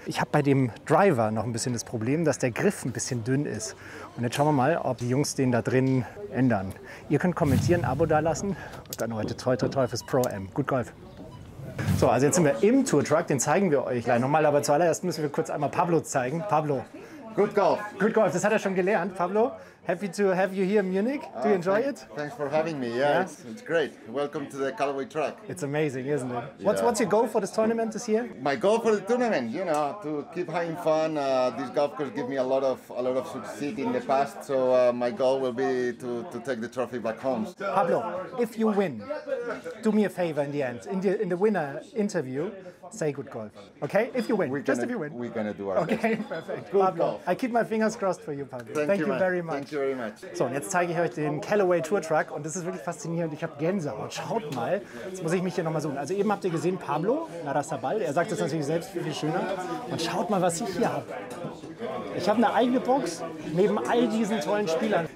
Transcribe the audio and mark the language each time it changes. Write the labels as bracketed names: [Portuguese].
[German] Ich habe bei dem Driver noch ein bisschen das Problem, dass der Griff ein bisschen dünn ist. Und jetzt schauen wir mal, ob die Jungs den da drin ändern. Ihr könnt kommentieren, ein Abo da lassen und dann heute toi toi toi fürs Pro-Am. [English] Good Golf. [German] So, also jetzt sind wir im Tour-Truck, den zeigen wir euch gleich nochmal, aber zuallererst müssen wir kurz einmal Pablo zeigen. Pablo. [English] Good Golf. Good Golf, [German] das hat er schon gelernt. [English] Pablo, happy to have you here in Munich. Do you enjoy it? Thanks for having me, yeah. It's great. Welcome to the Callaway Truck. It's amazing, isn't it? What's your goal for this tournament this year? My goal for the tournament, you know, to keep having fun. This golf course gave me a lot of success in the past, so my goal will be to take the trophy back home. Pablo, if you win, do me a favor in the end. In the winner interview, say good golf. Okay? If you win. If you win. We're gonna do our okay, best. Okay, perfect. Good golf. I keep my fingers crossed for you, Pablo. Thank you very much. Thank you very much. [German] So, und jetzt zeige ich euch den Callaway Tour Truck und das ist wirklich faszinierend. Ich habe Gänsehaut. Schaut mal. Jetzt muss ich mich hier nochmal suchen. Also eben habt ihr gesehen, Pablo Larrazabal. Er sagt das natürlich selbst viel schöner. Und schaut mal, was ich hier habe. Ich habe eine eigene Box neben all diesen tollen Spielern.